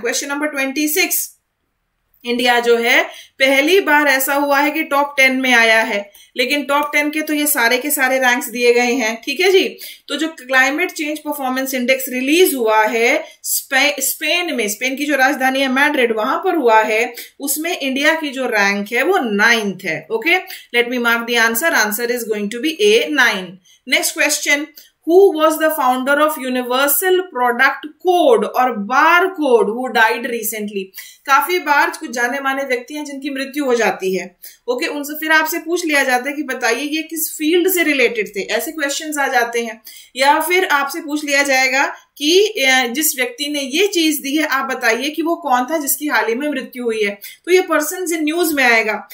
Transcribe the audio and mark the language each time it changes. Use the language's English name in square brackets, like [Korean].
[Hindi] Question number 26, India जो है पहली बार ऐसा हुआ है कि टॉप 10 में आया है, लेकिन टॉप 10 के तो ये सारे के सारे रैंक्स दिए गए हैं. ठीक है जी, तो जो climate change performance index release हुआ है स्पेन में, स्पेन की जो राजधानी है मैड्रिड वहां पर हुआ है, उसमें इंडिया की जो रैंक है वो 9th है. [English] Okay, let me mark the answer. Answer is going to be A9. Next question, Who was the founder of Universal Product Code or Barcode who died recently? [Hindi] काफी बार कुछ जाने माने व्यक्ति हैं जिनकी मृत्यु हो जाती है. ओके, उनसे फिर आपसे पूछ लिया जाता है कि बताइए ये किस फील्ड से रिलेटेड थे, ऐसे क्वेश्चंस आ जाते हैं. या फिर आपसे पूछ लिया जाएगा कि जिस व्यक्ति ने ये चीज दी है आप बताइए कि वो कौन था जिसकी हाल ही में मृत्यु हुई है, तो ये पर्सन इन न्यूज में आएगा.